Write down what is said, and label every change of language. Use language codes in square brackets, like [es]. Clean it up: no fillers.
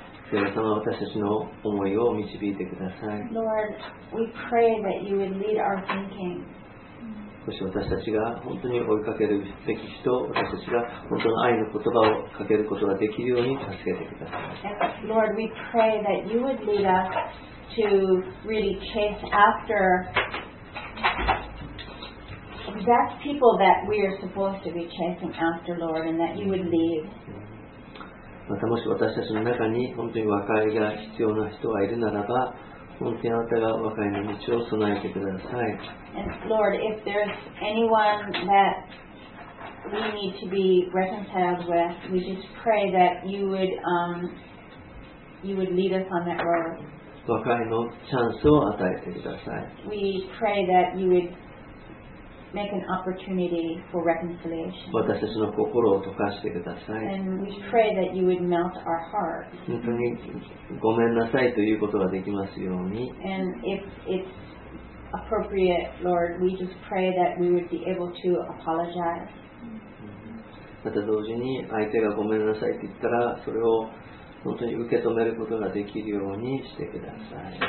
[ja] 神様、私たちの思いを導いてください。 [en] Lord, we pray that you would lead our thinking. [ja] もし私たちが本当に追いかけるべき人、私たちが本当の愛の言葉をかけることができるように助けてください。 [en] Lord, we pray that you would lead us to really chase after that people that we are supposed to be chasing after, Lord, and that you would lead. [ja] またもし私たちの中に本当に和解が必要な人がいるならば、本当にあなたが和解の道を備えてください。 [en] And Lord, if there's anyone that we need to be reconciled with, we just pray that you would lead us on that road. [ja] 和解のチャンスを与えてください。 [en] We pray that you would make an opportunity for reconciliation. [ja] 私たちの心を溶かしてください。 [en] And we pray that you would melt our hearts. [ja] 本当にごめんなさいということができますように。 [en] And if it'sAppropriate, Lord, we just pray that we would be able to apologize. [ja] また同時に相手がごめんなさいって言ったら、それを本当に受け止めることができるようにしてください。